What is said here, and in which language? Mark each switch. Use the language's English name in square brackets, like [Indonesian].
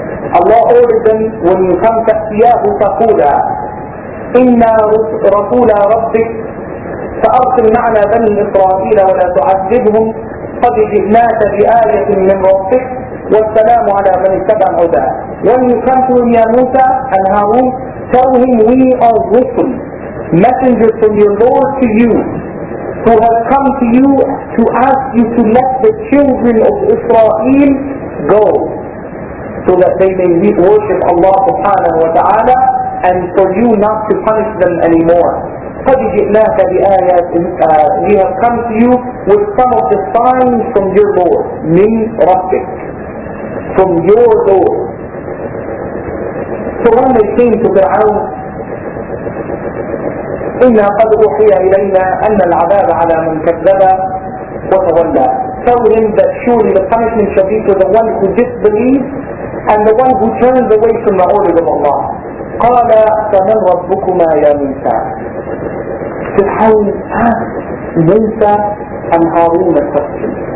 [English] Allah ordered them, when you come to Siyahu Taqula, [Arabic] إِنَّا رَسُولَ رَبِّكَ فَأَرْسِلْ مَعْنَا بَنِي إِسْرَائِيلَ وَلَا تُعَذِّبْهُمْ قَدْ جِئْنَاكَ بِآيَةٍ مِّن رَبِّكَ وَالسَّلَامُ عَلَى مَنِ اتَّبَعَ الْهُدَى. [English] When you come to him, ya Musa and Harun, tell him, we are rusul, messengers from your Lord to you, who have come to you to ask you to let the children of Israel go, so that they may worship Allah subhanahu wa ta'ala, and for you not to punish them anymore. [Arabic] قَدْ جِئْنَاكَ بِآيَاتٍ. [English] We have come to you with some of the signs from your Lord, [Arabic] مِنْ رَبِّكَ, [English] from your Lord. So when they came to Fir'aun, [Arabic] إِنَّا قَدْ أُحِيَ إِلَيْنَا أَنَّ الْعَذَابَ عَلَى مَنْ كَذَّبَ وَتَوَلَّى. [English] Tell him that surely the punishment shall be for the one who disbelieves and the one who turns away from the orders of Allah. [Arabic] قَالَ فَمَنْ رَبُّكُمَا يَا مُوسَى. [English] Fir'aun asked Musa and Harun a question.